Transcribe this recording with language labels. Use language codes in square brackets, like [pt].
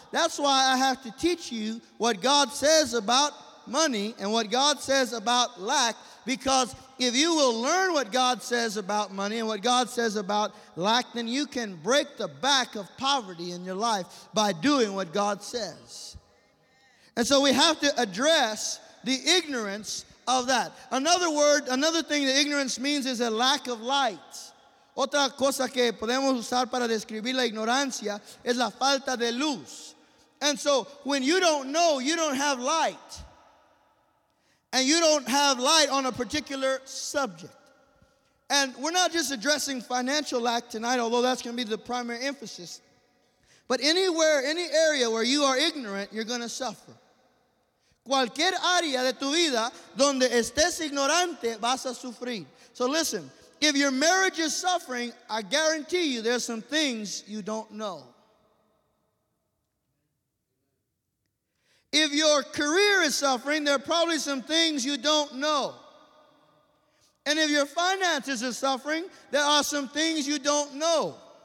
[en] That's why I have to teach you what God says about money and what God says about lack, because if you will learn what God says about money and what God says about lack, then you can break the back of poverty in your life by doing what God says. And so we have to address the ignorance of that. Another thing that ignorance means is a lack of light. [es] Otra cosa que podemos usar para describir la ignorancia es la falta de luz. [en] And so when you don't know, you don't have light. And you don't have light on a particular subject. And we're not just addressing financial lack tonight, although that's going to be the primary emphasis. But anywhere, any area where you are ignorant, you're going to suffer. [es] Cualquier área de tu vida donde estés ignorante, vas a sufrir. [en] So listen, if your marriage is suffering, I guarantee you there's some things you don't know. If your career is suffering, there are probably some things you don't know. And if your finances are suffering, there are some things you don't know.